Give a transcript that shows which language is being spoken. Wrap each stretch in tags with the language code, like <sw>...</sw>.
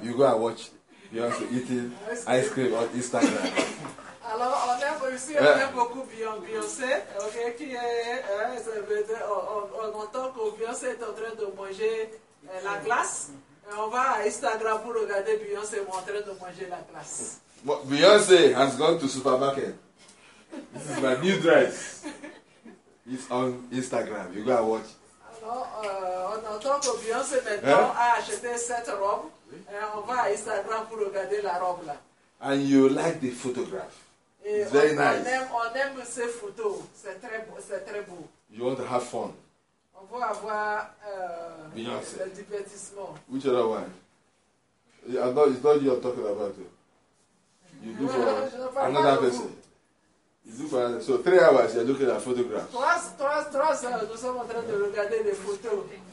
<en>You go and watch Beyoncé eating ice cream on Instagram.</en> <fr>Alors, on aime aussi beaucoup Beyoncé, okay, qui est. On entend que Beyoncé est en train de manger la glace. Et on va à Instagram pour regarder Beyoncé en train de manger la glace.</fr> <en>Beyoncé has gone to supermarket. This is my new dress. It's on Instagram. You go and watch.</en> <fr>Alors, on entend que Beyoncé maintenant a acheté cette robe. Et on va à Instagram pour regarder la robe là.</fr> <en>And you like the photograph. It's very nice.</en> <fr>On aime ces photos. C'est très beau.</fr> <en>You want to have fun.</en> <fr>On veut avoir Beyoncé. Le divertissement.</fr> <en>Which other one? Yeah, no, it's not you I'm talking about. You look for another person. You look for another. So 3 hours you're looking at photographs.</en> <fr>Trois heures, nous sommes en train de regarder les photos.</fr>